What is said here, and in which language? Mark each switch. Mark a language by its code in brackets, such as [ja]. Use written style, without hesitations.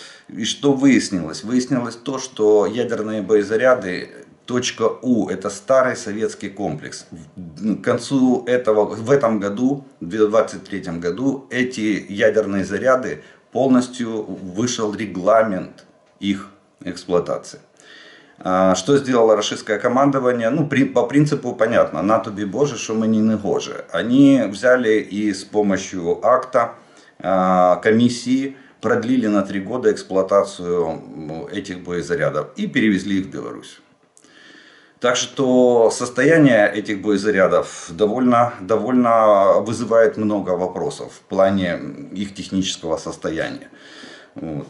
[ru] И что выяснилось? Выяснилось то, что ядерные боезаряды «Точка-У» – это старый советский комплекс. К концу в этом году, в 2023 году, эти ядерные заряды полностью вышел регламент их эксплуатации. Что сделало российское командование? Ну, по принципу понятно, [uk] на тобі Боже, що мені не гоже. [ru] Они взяли и с помощью акта комиссии продлили на 3 года эксплуатацию этих боезарядов и перевезли их в Беларусь. Так что состояние этих боезарядов довольно вызывает много вопросов в плане их технического состояния. Вот.